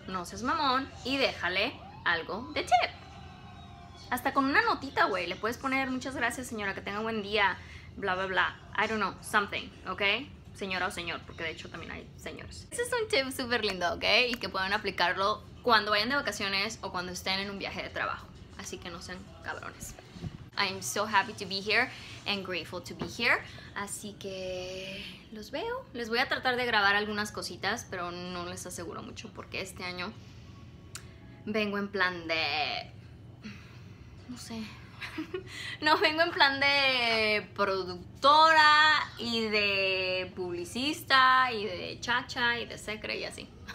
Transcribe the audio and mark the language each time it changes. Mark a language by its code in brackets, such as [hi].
[es] No seas mamón y déjale algo de tip. Hasta con una notita, güey. Le puedes poner muchas gracias, señora, que tenga buen día, bla, bla, bla. [en] I don't know, something, [es] ¿ok? Señora o señor, porque de hecho también hay señores. Ese es un tip súper lindo, ¿ok? Y que puedan aplicarlo cuando vayan de vacaciones o cuando estén en un viaje de trabajo. Así que no sean cabrones. [en] I'm so happy to be here and grateful to be here. [es] Así que los veo. Les voy a tratar de grabar algunas cositas, pero no les aseguro mucho porque este año vengo en plan de... No sé. No, vengo en plan de productora y de publicista y de chacha y de secre y así.